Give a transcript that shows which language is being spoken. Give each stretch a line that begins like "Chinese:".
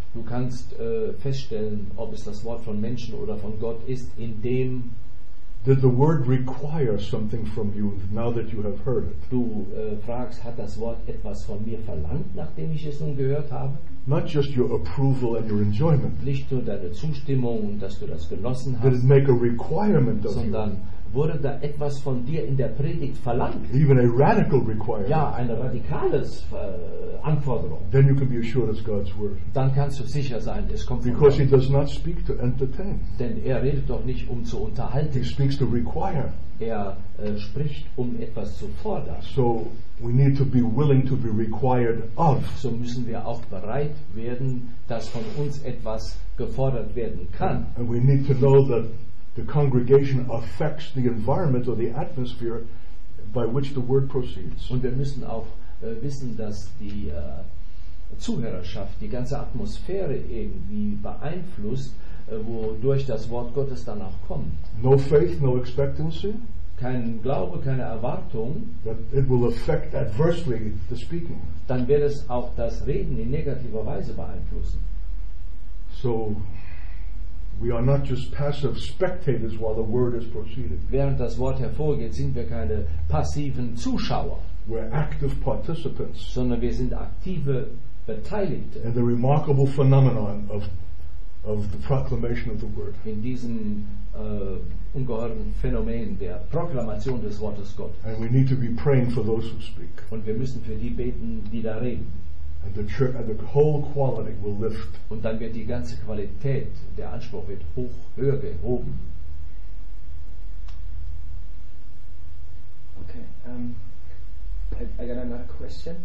German: Du kannst feststellen, ob es das Wort von Menschen oder von Gott ist, indem
English: did the word require something from you now that you have heard it?
German: Du fragst, hat das Wort etwas von mir verlangt, nachdem ich es nun gehört habe?
English: Not just your approval and your enjoyment.
German: Nicht nur deine Zustimmung, dass du das genossen hast.
English: Did it make a requirement of
German: sondern
English: you?
German: Wurde da etwas von dir in der Predigt verlangt?
English: Even a radical requirement.
German: Ja, eine radikale Anforderung.
English: Then you can be assured it's God's word.
German: Dann kannst du sicher sein, es kommt von Gott.
English: Because he does not speak to entertain.
German: Denn er redet doch nicht, um zu unterhalten.
English: He speaks to require.
German: Er spricht, um etwas zu fordern.
English: So we need to be willing to be required of.
German: So müssen wir auch bereit werden, dass von uns etwas gefordert werden kann.
English: And we need to know that the congregation affects the environment or the atmosphere by which the word proceeds.
German: Und wir müssen auch wissen, dass die Zuhörerschaft, die ganze Atmosphäre irgendwie beeinflusst, wodurch das Wort Gottes dann auch kommt.
English: No faith, no expectancy.
German: Kein Glaube, keine Erwartung.
English: That it will affect adversely the speaking.
German: Dann wird es auch das Reden in negativer Weise beeinflussen.
English: So we are not just passive spectators while the word is proceeding.
German: Während das Wort hervorgeht, sind wir keine passiven Zuschauer.
English: We're active participants.
German: Sondern wir sind aktive Beteiligte.
English: In the remarkable phenomenon of the proclamation of the word.
German: In diesem ungeheuren Phänomen der Proklamation des Wortes Gottes.
English: And we need to be praying for those who speak.
German: Und wir müssen für die beten, die da reden.
English: And the whole quality will lift.
German: Und dann wird die ganze Qualität, der Anspruch wird höher gehoben.
English: Okay, I got another question.